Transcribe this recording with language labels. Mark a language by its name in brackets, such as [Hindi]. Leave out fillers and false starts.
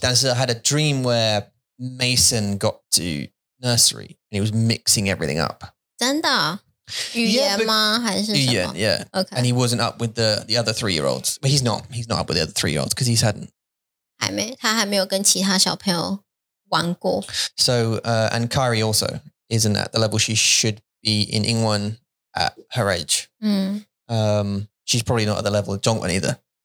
[Chinese] 但是 [English] I had a dream where Mason got to nursery and he was mixing everything up. [Chinese] 真的？语言吗？还是什么？语言 ， [English] Yeah. Okay. And he wasn't up with the other 3-year-olds. But he's not up with the other 3-year-olds because he's hadn't. [Chinese] 还没，他还没有跟其他小朋友玩过。 [English] So and Kairi also isn't at the level she should be in [Chinese] 英文。 [English] At her age. She's probably not at the level of Zhongwen either.